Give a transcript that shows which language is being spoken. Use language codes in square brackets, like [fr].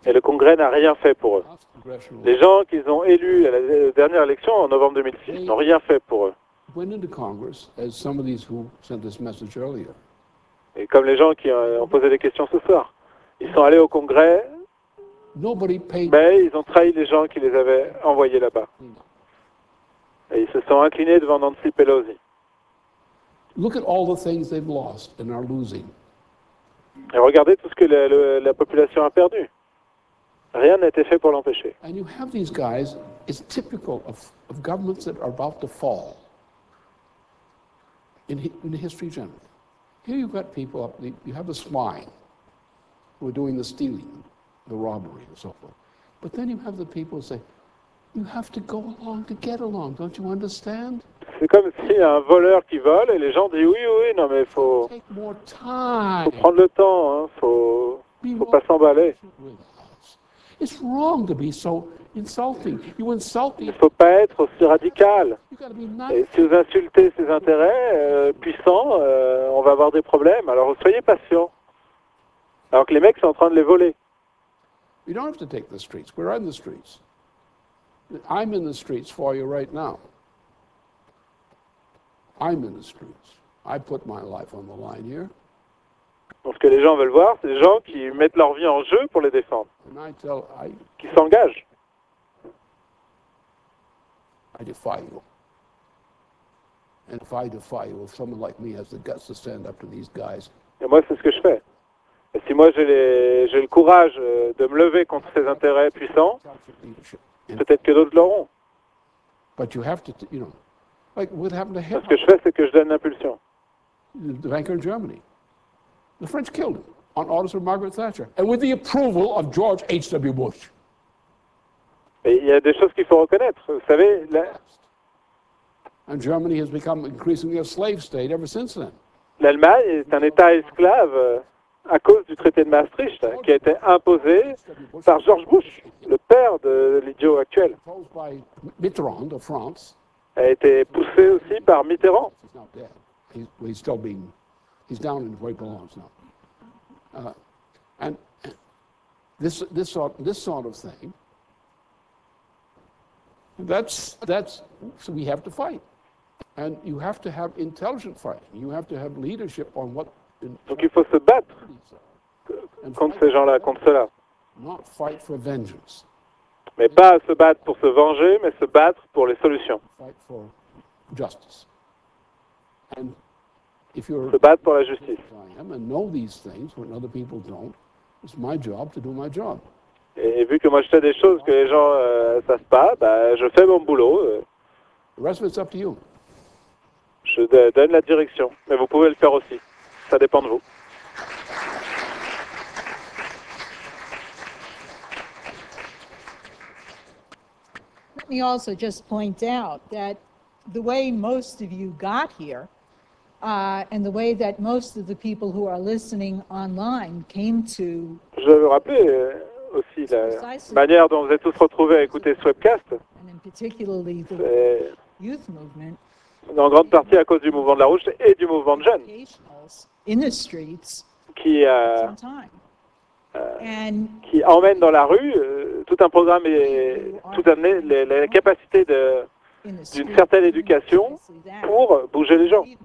[fr] Et le Congrès n'a rien fait pour eux. Les gens qu'ils ont élus à la dernière élection en novembre 2006 n'ont rien fait pour eux. [en] Went into Congress, as some of these who sent this message earlier. [fr] Et comme les gens qui ont posé des questions ce soir, ils sont allés au Congrès, [en] nobody paid, [fr] mais ils ont trahi les gens qui les avaient envoyés là-bas. Et ils se sont inclinés devant Nancy Pelosi. [en] Look at all the things they've lost and are losing. [fr] Et regardez tout ce que la population a perdu. Rien n'a été fait pour l'empêcher. [en] And you have these guys, it's typical of governments that are about to fall in history generally. Here you've got people, you have the swine who are doing the stealing, the robbery and so forth. But then you have the people who say, you have to go along to get along, don't you understand? [fr] C'est comme s'il y a un voleur qui vole et les gens disent oui, oui, non, mais faut prendre le temps, hein, faut pas s'emballer. [en] It's wrong to be so insulting. You insult [fr] people. Il faut pas être aussi radical. Et si vous insultez ses intérêts puissants, on va avoir des problèmes. Alors soyez patient. Alors que les mecs sont en train de les voler. [en] You don't have to take the streets. We're on the streets. I'm in the streets for you right now. I'm in the streets. I put my life on the line here. [fr] Ce que les gens veulent voir, c'est des gens qui mettent leur vie en jeu pour les défendre, qui s'engagent. [en] I defy you. And if I defy you, if someone like me has the guts to stand up to these guys. [fr] Et moi, c'est ce que je fais. Et si moi j'ai le courage de me lever contre ces intérêts puissants, peut-être que d'autres l'auront. [en] But you have to, you know, like what happened to Hitler. [fr] Ce que je fais, c'est que je donne l'impulsion. [en] The banker in Germany. The French killed him on orders of Margaret Thatcher and with the approval of George H.W. Bush. [fr] Mais il y a des choses qu'il faut reconnaître, vous savez. [en] And Germany has become increasingly a slave state ever since then. [fr] L'Allemagne est un état esclave à cause du traité de Maastricht qui a été imposé par George Bush, le père de l'idiot actuel. [en] Mitterrand of France [fr] a été poussé aussi par Mitterrand. [en] He's still being. He's down in where he belongs now. And this sort of thing, that's so we have to fight. And you have to have intelligent fighting. You have to have leadership on what... [fr] Donc il faut se battre contre ces gens-là, contre cela. [en] Not fight for vengeance. [fr] Mais pas se battre pour se venger, mais se battre pour les solutions. [en] Fight for justice. And [fr] se battre pour la justice. [en] And know these things when other people don't. It's my job to do my job. [fr] Et vu que moi je fais des choses que les gens savent pas, je fais mon boulot. [en] The rest of it's up to you. [fr] Je donne la direction, mais vous pouvez le faire aussi. Ça dépend de vous. [en] Let me also just point out that the way most of you got here. And the way that most of the people who are listening online came to. [fr] Je veux rappeler aussi la manière dont vous êtes tous retrouvés à écouter ce webcast. C'est en grande partie à cause du mouvement de la Rouge et du mouvement de jeunes. [en] In the streets. [fr] Qui emmène dans la rue tout un programme et toute la capacité d'une certaine éducation pour bouger les gens.